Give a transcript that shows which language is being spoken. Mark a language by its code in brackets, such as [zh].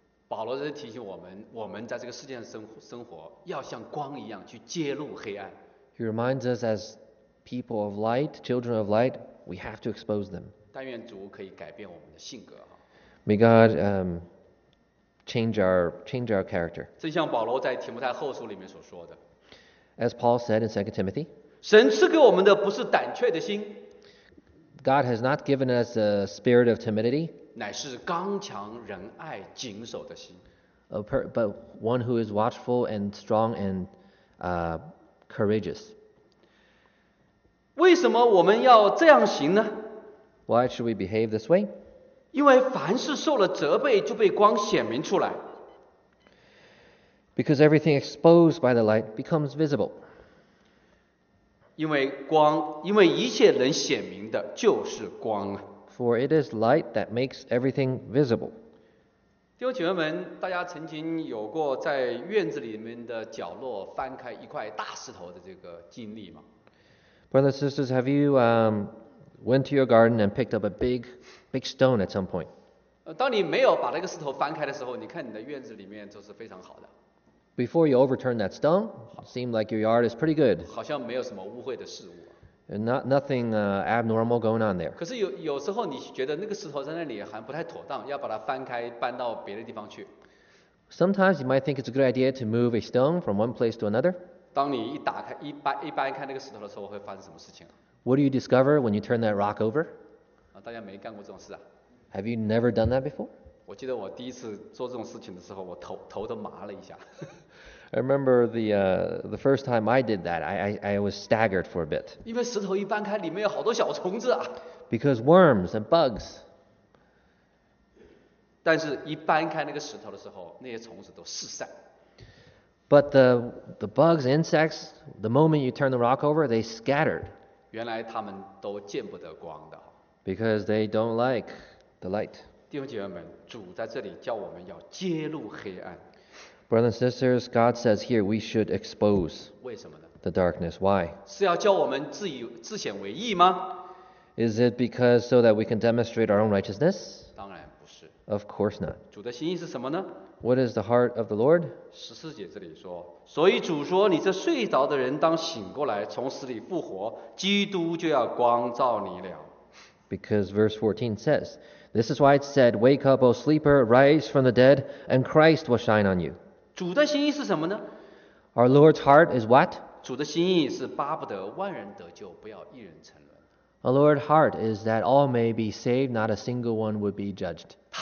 [zh] 保罗在提醒我们，我们在这个世界上生活，要像光一样去揭露黑暗。 [en] He reminds us as people of light, children of light, we have to expose them. [zh] 但愿主可以改变我们的性格。 [en] May God change our character. [zh] 正像保罗在提摩太后书里面所说的。 [en] As Paul said in 2 Timothy, [zh] 神赐给我们的不是胆怯的心。 [en] God has not given us a spirit of timidity, [zh] 乃是刚强仁爱谨守的心 [en] but one who is watchful and strong and courageous. [zh] 为什么我们要这样行呢 [en] Why should we behave this way? [zh] 因为凡是受了责备就被光显明出来 [en] Because everything exposed by the light becomes visible. [zh] 因为一切能显明的就是光。 [en] For it is light that makes everything visible. [zh] 弟兄姐妹们，大家曾经有过在院子里面的角落翻开一块大石头的这个经历吗 [en] ？Brothers and sisters, have you went to your garden and picked up a big stone at some point? [zh] 当你没有把那个石头翻开的时候，你看你的院子里面就是非常好的。 [en] Before you overturn that stone, it seemed like your yard is pretty good. [zh] 好像没有什么污秽的事物。 [en] Nothing abnormal going on there. [zh] 可是有时候你觉得那个石头在那里还不太妥当，要把它翻开搬到别的地方去。 [en] Sometimes you might think it's a good idea to move a stone from one place to another. [zh] 当你一搬开那个石头的时候，会发生什么事情 [en] ？What do you discover when you turn that rock over? [zh] 大家没干过这种事啊。 [en] Have you never done that before? [zh] 我记得我第一次做这种事情的时候，我头都麻了一下。 [en] I remember the first time I did that, I was staggered for a bit. [zh] 因为石头一搬开，里面有好多小虫子啊。 [en] Because worms and bugs. [zh] 但是，一搬开那个石头的时候，那些虫子都四散。 [en] But the bugs, insects, the moment you turn the rock over, they scattered. [zh] 原来他们都见不得光的。 [en] Because they don't like the light. [zh] 弟兄姐妹们，主在这里叫我们要揭露黑暗。 [en] Brothers and sisters, God says here we should expose. [zh] 为什么呢 [en] ？The darkness. Why? [zh] 是要教我们自显为义吗 [en] ？Is it because so that we can demonstrate our own righteousness? [zh] 当然不是。 [en] Of course not. [zh] 主的心意是什么呢 [en] ？What is the heart of the Lord? [zh] 十四节这里说，所以主说，你这睡着的人当醒过来，从死里复活，基督就要光照你了。 [en] Because verse 14 says. This is why it said, "Wake up, O sleeper! Rise from the dead, and Christ will shine on you." [zh] 主的心意是什么呢 [en] ？Our Lord's heart is what? [zh] 主的心意是巴不得万人得救，不要一人沉沦。 [en] A Lord's heart is that all may be saved, not a single one would be judged.